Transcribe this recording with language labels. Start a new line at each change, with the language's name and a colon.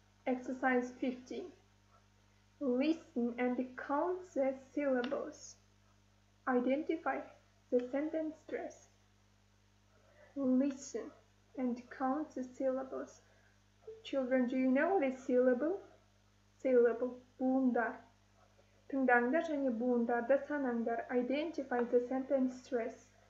English: Exercise 50. Listen and count the syllables. Identify the sentence stress. Listen and count the syllables. Children, do you know the syllable? Syllable.
Kazakh: Буындар. Тыңдаңдар және буындарды санаңдар.
English: Identify the sentence stress.